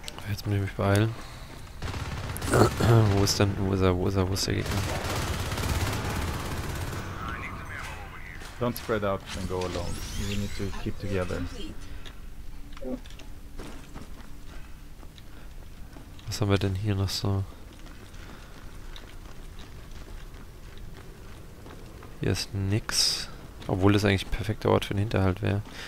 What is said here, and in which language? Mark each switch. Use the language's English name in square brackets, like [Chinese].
[German] Jetzt muss ich mich beeilen. Wo ist denn, wo ist der Gegner? [English] Don't spread out and go alone. We need to keep together. [German] Was haben wir denn hier noch so? Hier ist nix. Obwohl das eigentlich ein perfekter Ort für den Hinterhalt wäre.